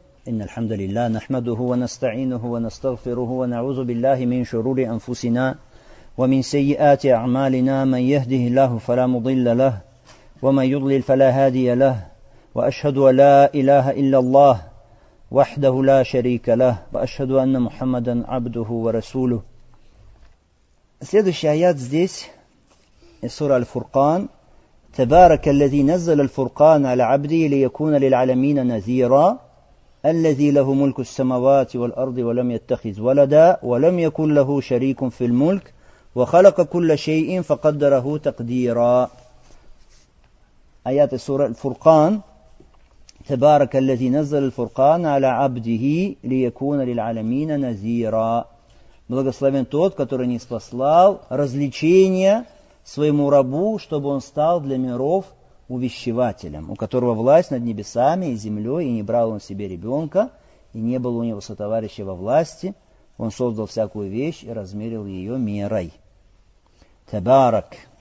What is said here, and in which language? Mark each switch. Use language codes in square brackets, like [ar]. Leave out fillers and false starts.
[ar] إن الحمد لله نحمده ونستعينه ونستغفره ونعوذ بالله من شرور أنفسنا ومن سيئات أعمالنا، من يهده الله فلا مضل له ومن يضلل فلا هادي له، وأشهد أن لا إله إلا الله وحده لا شريك له، وأشهد أن محمدا عبده ورسوله. [ru] Следующая аят здесь, сура Аль-Фуркан. [ar] تبارك الذي نزل الفرقان على عبده ليكون للعالمين نذيرا الذي له ملك السماوات والأرض ولم يتخذ ولدا ولم يكن له شريك في الملك وخلق كل شيء فقدره تقديرا. آيات سورة الفرقان. تبارك الذي نزل الفرقان على عبده ليكون للعالمين نذيرا. [ru] Благословен тот, который ниспослал развлечения своему рабу, чтобы он стал для миров увещевателем, у которого власть над небесами и землей, и не брал он себе ребенка, и не было у него сотоварища во власти. Он создал всякую вещь и размерил ее мерой. Табарак.